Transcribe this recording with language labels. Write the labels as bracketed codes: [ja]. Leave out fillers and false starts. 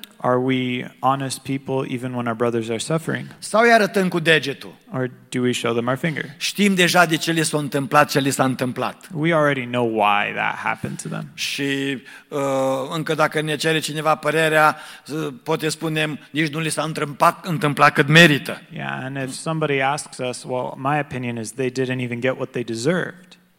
[en] Are we honest people even when our brothers are suffering? [ro] Sau îi arătăm cu degetul? [en] Or do we show them our finger? [ro] Știm deja de ce li s-a întâmplat, ce li s-a întâmplat. [en] We already know why that happened to them. [ro] Și încă dacă ne cere cineva părerea, poate spunem, nici nu li s-a întâmplat cât merită. [en] Yeah, and if somebody asks us, well, my opinion is they didn't even get what they deserved.